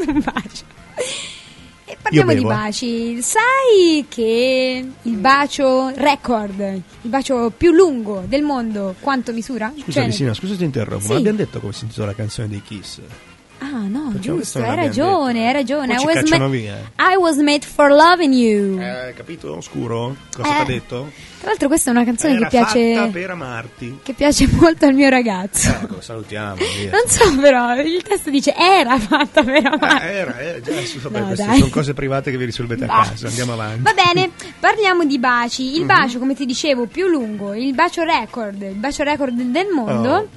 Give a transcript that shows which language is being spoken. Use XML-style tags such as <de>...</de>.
<it>Un bacio. E parliamo di baci. Sai che il bacio record, il bacio più lungo del mondo, quanto misura? Scusa, Lisina, scusa se ti interrompo, ma abbiamo detto come si intitola la canzone dei Kiss? Ah no, giusto, hai ragione. Poi</it> <en>I was made for loving you.</en> <it>Capito, oscuro? Cosa ti ha detto? Tra l'altro questa è una canzone era che piace fatta per amarti. Che piace molto al mio ragazzo. Ecco, salutiamo. Non so però, il testo dice era fatta per amarti. Queste sono cose private che vi risolvete a casa. Andiamo avanti. Va bene, parliamo di baci. Il bacio, come ti dicevo, più lungo, il bacio record del mondo.</it>